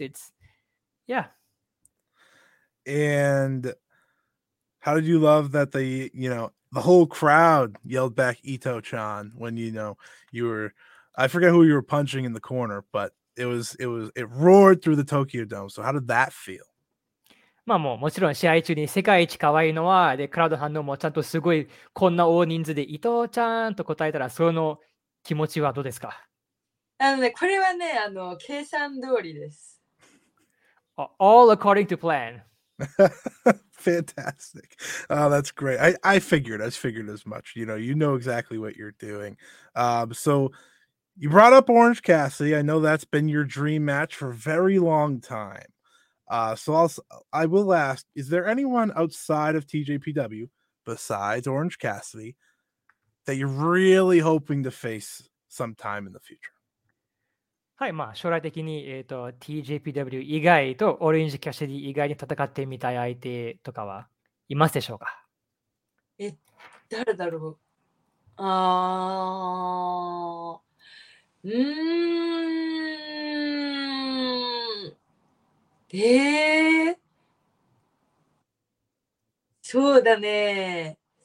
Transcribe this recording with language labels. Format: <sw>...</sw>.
<en>It's, yeah. And how did you love that they, you know, the whole crowd yelled back Itoh-chan when, you know, you were, I forget who you were punching in the corner, but it roared through the Tokyo Dome. So how did that feel?</en> <ja>まあ、もちろん試合中に世界一可愛いのはでクラウド反応もちゃんとすごいこんな大人数で伊藤ちゃんと答えたらその気持ちはどうですか？あのね、これはね、あの計算通りです。</ja> <en>All according to plan. Fantastic. Oh, that's great. I figured as much. You know exactly what you're doing. So you brought up Orange Cassidy. I know that's been your dream match for a very long time. So I will ask, is there anyone outside of TJPW, besides Orange Cassidy, that you're really hoping to face sometime in the future?</en> <ja>はい、まあ、将来的に、TJPW 以外とオレンジキャシディ以外に戦ってみたい相手とかはいますでしょうか？え、誰だろう？あー、そうだね。</ja>